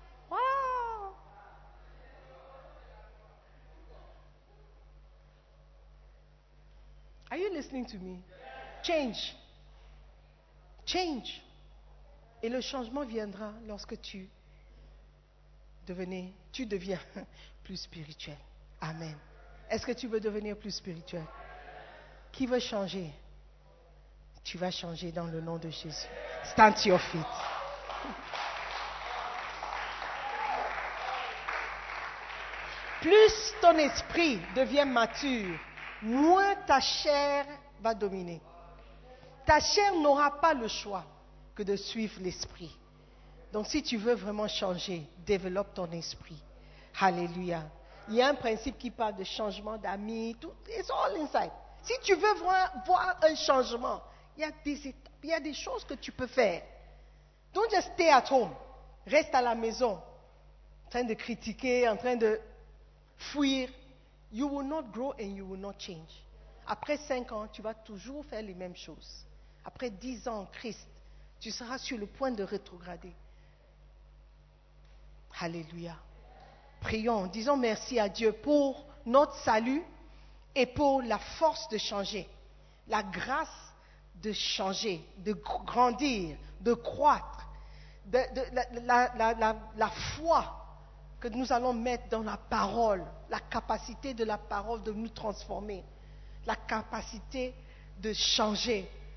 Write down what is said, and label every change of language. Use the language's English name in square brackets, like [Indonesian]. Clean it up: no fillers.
[English] Wow! » Are you listening to me? Change. [French] Et le changement viendra lorsque tu deviens plus spirituel. Amen. Est-ce que tu veux devenir plus spirituel? Qui veut changer? Tu vas changer dans le nom de Jésus. [English] Stand to your feet. [French] Plus ton esprit devient mature, moins ta chair va dominer. Ta chair n'aura pas le choix que de suivre l'esprit. Donc si tu veux vraiment changer, développe ton esprit. Alléluia. Il y a un principe qui parle de changement d'amis, tout, [English] it's all inside. [French] Si tu veux voir un changement, il y a des choses que tu peux faire. [English] Don't just stay at home. [French] Reste à la maison, en train de critiquer, en train de fuir. [English] You will not grow and you will not change. [French] Après 5 ans, tu vas toujours faire les mêmes choses. Après 10 ans, Christ, tu seras sur le point de rétrograder. Alléluia. Prions, disons merci à Dieu pour notre salut et pour la force de changer, la grâce de changer, de grandir, de croître, la foi que nous allons mettre dans la parole, la capacité de la parole de nous transformer, la capacité de changer.